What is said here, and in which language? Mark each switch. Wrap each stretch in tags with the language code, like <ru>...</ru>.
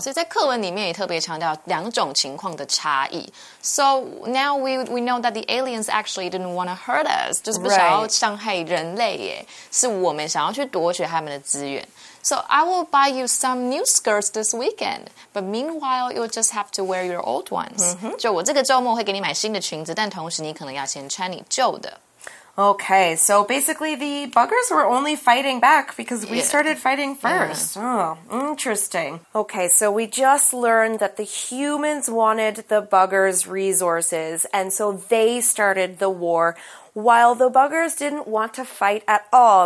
<zh>所以在课文里面也特别强调两种情况的差异。</zh> <en>So, now we know that the aliens actually didn't want to hurt us.</en> <zh>就是不想要伤害人类耶。是我们想要去夺取他们的资源。</zh> <en>So, I will buy you some new skirts this weekend, but meanwhile, you'll just have to wear your old ones.</en> <zh>就我这个周末会给你买新的裙子，但同时你可能要先穿你旧的。</zh> <en>Okay, so basically the buggers were only fighting back because we started fighting first. Oh, interesting. Okay, so we just learned that the humans wanted the buggers' resources, and so they started the war, while the buggers didn't want to fight at all.</en>